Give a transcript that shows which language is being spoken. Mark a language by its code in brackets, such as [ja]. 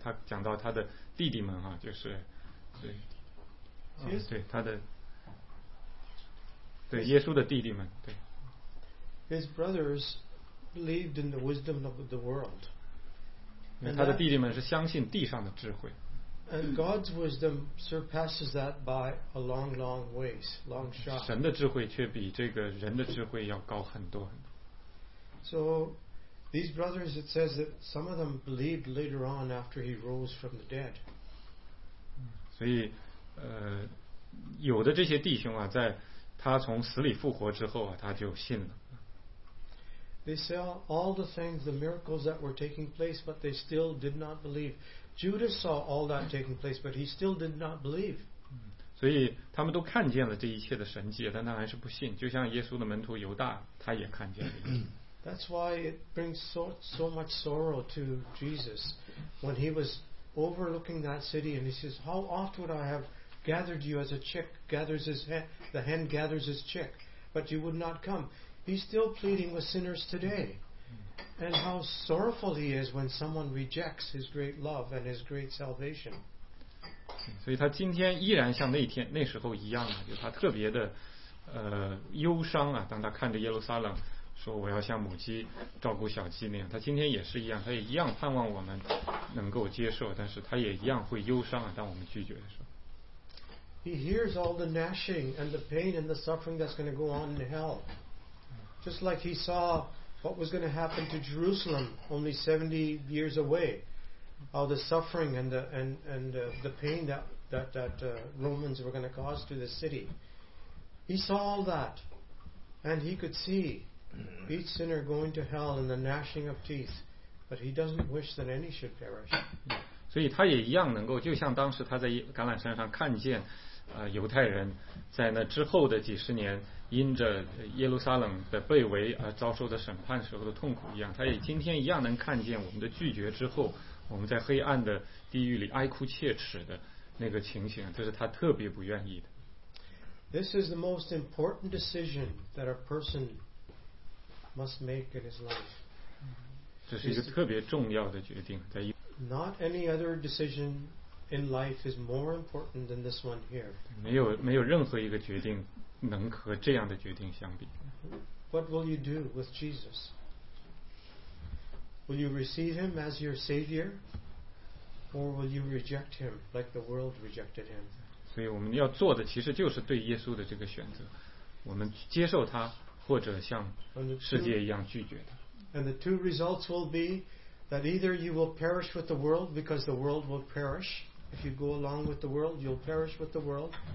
[zh] 他讲到他的弟弟们就是对他的对耶稣的弟弟们对。 [en] His brothers. Believed in the wisdom of the world. [zh] 他的弟弟们是相信地上的智慧。 [en] And God's wisdom surpasses that by a long, long ways, long shot. [zh] 神的智慧却比这个人的智慧要高很多。 [en] So these brothers, it says that some of them believed later on after he rose from the dead. [zh] 所以，有的这些弟兄在他从死里复活之后他就信了。 [en] They saw all the things, the miracles that were taking place, but they still did not believe. Judas saw all that taking place, but he still did not believe. [zh] 所以他们都看见了这一切的神迹，但他还是不信，就像耶稣的门徒犹大他也看见了。 [en] That's why it brings so much sorrow to Jesus when he was overlooking that city and he says, how oft would I have gathered you as a chick gathers his hen, the hen gathers his chick, but you would not come. He's still pleading with sinners today. And how sorrowful he is when someone rejects his great love and his great salvation. [zh] 所以他今天依然像那天那时候一样，就他特别的忧伤啊，当他看着耶路撒冷说我要像母鸡照顾小鸡那样，他今天也是一样，他也一样盼望我们能够接受，但是他也一样会忧伤啊，当我们拒绝的时候。 [en] He hears all the gnashing and the pain and the suffering that's going to go on in hell. Just like he saw what was going to happen to Jerusalem only 70 years away. All the suffering and the pain that Romans were going to cause to the city. He saw all that. And he could see each sinner going to hell and the gnashing of teeth. But he doesn't wish that any should perish. [zh] 所以他也一样能够，就像当时他在橄榄山上看见犹太人在那之后的几十年因着耶路撒冷的被围而遭受的审判时候的痛苦一样，他也今天一样能看见我们的拒绝之后我们在黑暗的地狱里哀哭切齿的那个情形，这是他特别不愿意的。 [en] This is the most important decision that a person must make in his life. [zh] 这是一个特别重要的决定。 [en] Not any other decisionin life is more important than this one here. [zh] 没有任何一个决定能和这样的决定相比。 [en] What will you do with Jesus? Will you receive him as your savior? Or will you reject him like the world rejected him? [zh] 所以我们要做的其实就是对耶稣的这个选择。我们接受他或者像世界一样拒绝他。 [en] And the two results will be,that either you will perish with the world because the world will perish. If you go along with the world, you'll perish with the world.